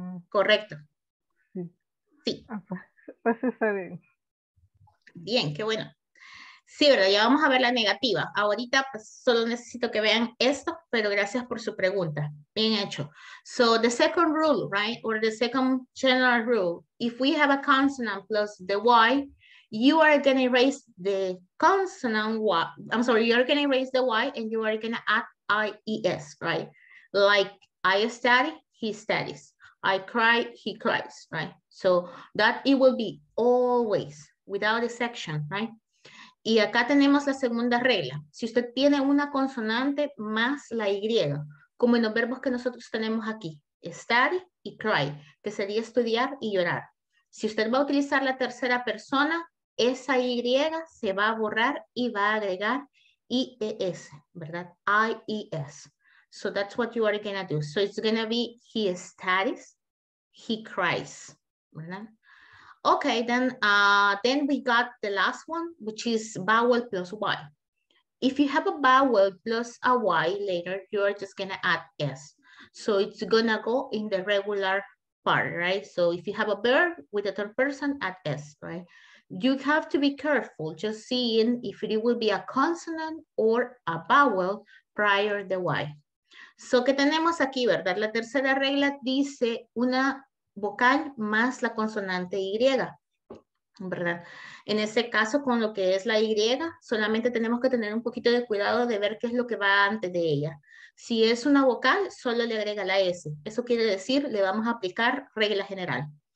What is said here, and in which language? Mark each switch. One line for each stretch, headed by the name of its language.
Spanish: Correcto. Sí. Pues está bien. Bien, qué bueno. Sí, verdad, ya vamos a ver la negativa. Ahorita pues, solo necesito que vean esto, pero gracias por su pregunta. Bien hecho.
English: So, the second rule, right? Or the second general rule. If we have a consonant plus the Y, you are going to erase the consonant Y. I'm sorry, you're going to erase the Y and you are going to add IES, right? Like, I study, he studies. I cry, he cries, right? So, that it will be always without a section, right?
Spanish: Y acá tenemos la segunda regla. Si usted tiene una consonante más la Y, como en los verbos que nosotros tenemos aquí, study y cry, que sería estudiar y llorar. Si usted va a utilizar la tercera persona, esa Y se va a borrar y va a agregar IES, ¿verdad? IES.
English: So that's what you are going to do. So it's going to be he studies, he cries, ¿verdad? Okay, then we got the last one, which is vowel plus Y. If you have a vowel plus a Y later, you are just gonna add S. So it's gonna go in the regular part, right? So if you have a verb with a third person, add S, right? You have to be careful just seeing if it will be a consonant or a vowel prior to the Y.
Spanish: So que tenemos aquí, ¿verdad? La tercera regla dice una vocal más la consonante Y, ¿verdad? En ese caso, con lo que es la Y, solamente tenemos que tener un poquito de cuidado de ver qué es lo que va antes de ella. Si es una vocal, solo le agrega la S. Eso quiere decir, le vamos a aplicar regla general.